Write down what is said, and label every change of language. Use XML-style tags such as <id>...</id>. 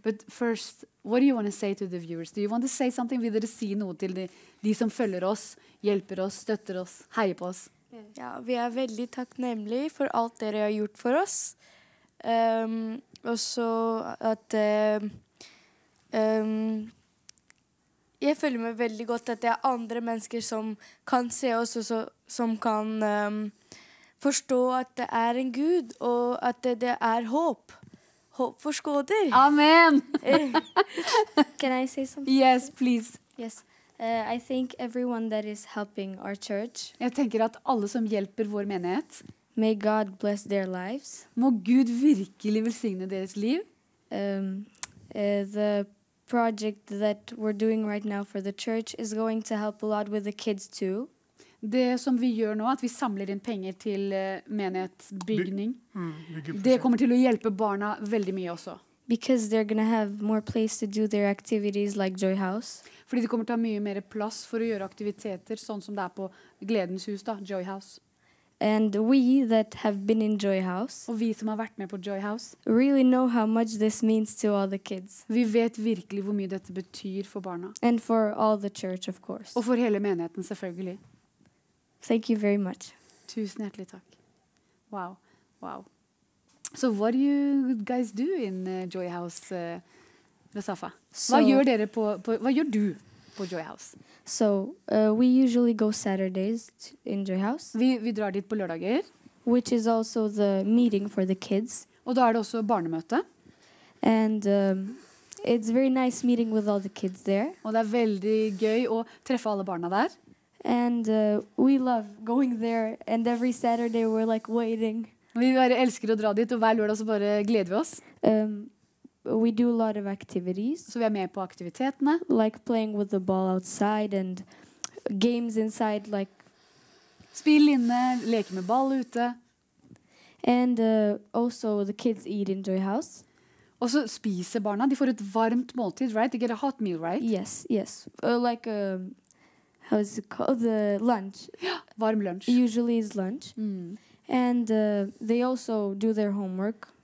<en>But first, what do you want to say to the viewers? Do you want to say something?</en> <no>Vil dere si noe til de som følger oss, hjelper oss, støtter oss, heier på oss? Ja, vi veldig takknemlige for alt dere har gjort for oss. Også at jeg føler meg veldig godt at det andre mennesker som kan se oss og som kan forstå at det en Gud og at det håp. Håp for skåder. Amen!</no> <en>Can I say something? Yes, please. Yes. I think everyone that is helping our church.</en> <no>Jeg tenker at alle som hjelper vår menighet.</no> <en>May God bless their lives.</en> <no>Må Gud virkelig velsigne deres liv.</no> <en>The project that we're doing right now for the church is going to help a lot with the kids too.</en> <no>Det som vi gjør nå, at vi samler inn penger til menighetsbygning, det kommer til å hjelpe barna veldig mye også.</no> <en>Because they're going to have more place to do their activities like Joy House.</en> <no>Fordi de kommer til å ha mye mer plass for å gjøre aktiviteter, sånn som det på Gledens Hus da, Joy House.</no> <en>And we that have been in Joy House,</en> <no>og vi som har vært med på Joy House,</no> <en>really know how much this means to all the kids.</en> <no>Vi vet virkelig hvor mye dette betyr for barna.</no> <en>And for all the church, of course.</en> <no>Og for hele menigheten, selvfølgelig.</no> <en>Thank you very much.</en> <no>Tusen hjertelig takk. Wow, wow.</no> <en>So what do you guys do in Joy House, Rasafa?</en> <no>Hva gjør du på Joy House?</no> <en>So, we usually go Saturdays in Joy House.</en> <no>Vi drar dit på lørdager.</no> <en>Which is also the meeting for the kids.</en> <no>Og da er det også barnemøte.</no> <en>And it's very nice meeting with all the kids there.</en> <no>Og det er veldig gøy å treffe alle barna der.</no> <en>And we love going there, and every Saturday we're like waiting.</en> <no>Vi bare elsker å dra dit, og hver lørdag så bare gleder vi oss.</no> <en>We do a lot of activities.</en> <no>Så vi er med på aktivitetene.</no> <en>Like playing with the ball outside and games inside, like...</en> <no>Spill inne, leke med ball ute.</no> <en>And also the kids eat in Joy House.</en> <no>Og så spiser barna. De får et varmt måltid, right?</no> <en>They get a hot meal, right? Yes, yes. Like a... How is it called? The lunch.</en> <no>Ja, varm lunch.</no> <en>Usually is lunch. Mm. And they also do their homework.</en>